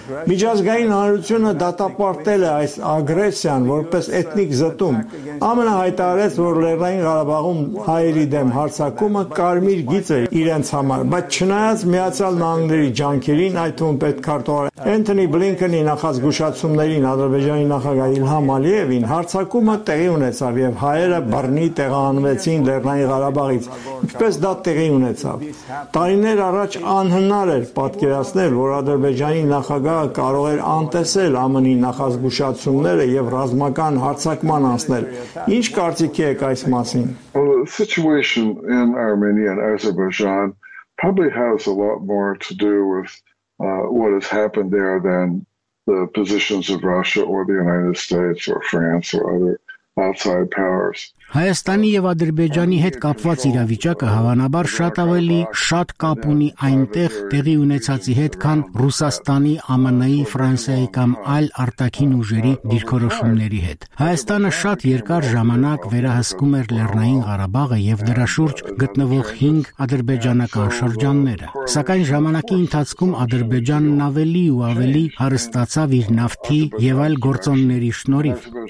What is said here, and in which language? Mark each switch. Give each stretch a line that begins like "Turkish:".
Armenian: Միջազգային հանրությունը դատապարտել է այս ագրեսիան որպես էթնիկ զտում։ ԱՄՆ-ը հայտարարեց, որ Լեռնային Ղարաբաղում հայերի դեմ հարձակումը կարմիր գիծ է իրենց համար, բայց չնայած Միացյալ Նահանգների ջանքերին, այդ թվում պետք քարտուղար Էնթոնի Բլինքենի նախազգուշացումներին ադրբեջանի նախագահ Իլհամ Ալիևին, հարձակումը տեղի ունեցավ եւ հայերը բռնի տեղահանվեցին Լեռնային Ղարաբաղից, ինչպես դա տեղի ունեցավ։ Տարիներ առաջ անհնար էր պատկերացնել, որ Ադրբեջանի նախագահը կարող էր անտեսել ԱՄՆ-ի նախազգուշացումները եւ ռազմական հարձակման անցնել։ Ինչ կարծիք եք այս մասին?
English: The situation in Armenia and Azerbaijan probably has a lot more to do with what has happened there than the positions of Russia or the United States or France or other outside powers.
Armenian: Հայաստանի եւ Ադրբեջանի հետ կապված իրավիճակը հավանաբար շատ ավելի շատ կապ ունի այնտեղ տեղի ունեցածի հետ, քան Ռուսաստանի, ԱՄՆ-ի, Ֆրանսիայի կամ այլ արտաքին ուժերի դիրքորոշումների հետ։ Հայաստանը շատ երկար ժամանակ վերահսկում էր Լեռնային Ղարաբաղը եւ դրա շուրջ գտնվող 5 ադրբեջանական շրջանները, սակայն ժամանակի ընթացքում Ադրբեջանն ավելի ու ավելի հարստացավ իր նավթի եւ այլ գործոնների շնորհիվ։